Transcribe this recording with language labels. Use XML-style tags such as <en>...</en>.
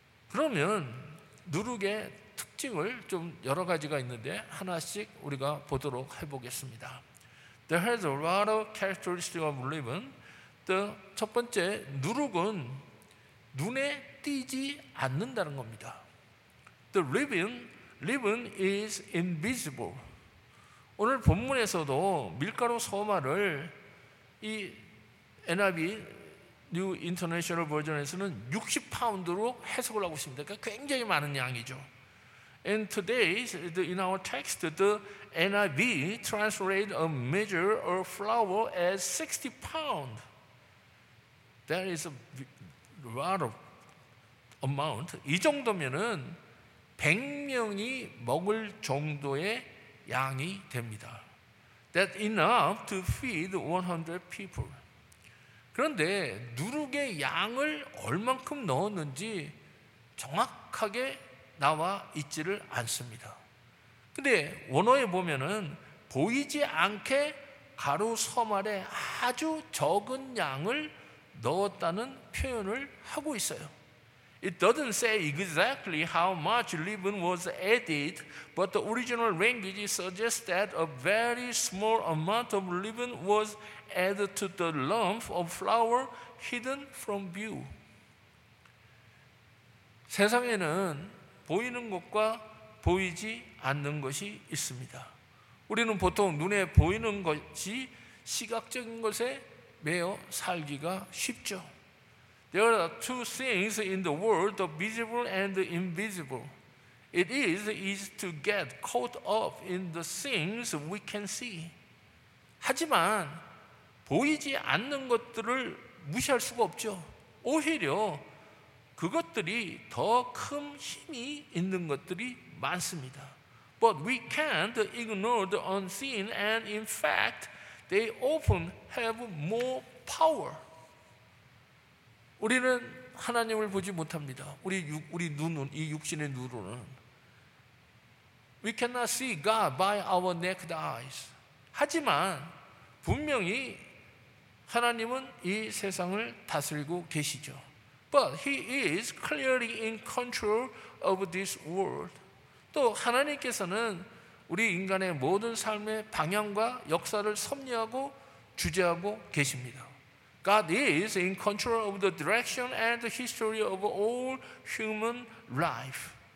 <ko>그러면 누룩의 특징을 좀 여러 가지가 있는데 하나씩 우리가 보도록 해보겠습니다.</ko> <en>There is a lot of characteristics of leaven.</en> <ko>첫 번째, 누룩은 눈에 띄지 않는다는 겁니다.</ko> <en>The leaven is invisible.</en> <ko>오늘 본문에서도 밀가루 소마를 이 NIV New International Version에서는 60파운드로 해석을 하고 있습니다. 그러니까 굉장히 많은 양이죠.</ko> <en>And today, in our text, the NIV translates a measure of flour as 60 pounds. That is a lot of amount.</en> <ko>이 정도면은 100명이 먹을 정도의 양이 됩니다.</ko> <en>That's enough to feed 100 people.</en> <ko>그런데 누룩의 양을 얼만큼 넣었는지 정확하게 나와 있지를 않습니다. 근데 원어에 보면은 보이지 않게 가루 서말에 아주 적은 양을 넣었다는 표현을 하고 있어요.</ko> <en>It doesn't say exactly how much leaven was added, but the original language suggests that a very small amount of leaven was added to the lump of flour hidden from view.</en> <ko>세상에는 보이는 것과 보이지 않는 것이 있습니다. 우리는 보통 눈에 보이는 것이 시각적인 것에 매어 살기가 쉽죠.</ko> <en>There are two things in the world, the visible and the invisible. It is easy to get caught up in the things we can see.</en> <ko>하지만 보이지 않는 것들을 무시할 수가 없죠. 오히려 그것들이 더 큰 힘이 있는 것들이 많습니다.</ko> <en>But we can't ignore the unseen, and in fact, they often have more power.</en> <ko>우리는 하나님을 보지 못합니다. 우리 눈은, 이 육신의 눈으로는.</ko> <en>We cannot see God by our naked eyes.</en> <ko>하지만 분명히 하나님은 이 세상을 다스리고 계시죠.</ko> <en>But he is clearly in control of this world.</en> <ko>또 하나님께서는 우리 인간의 모든 삶의 방향과 역사를 섭리하고 주재하고 계십니다.</ko> <en>God is in control of the direction and the history of all human life.</en>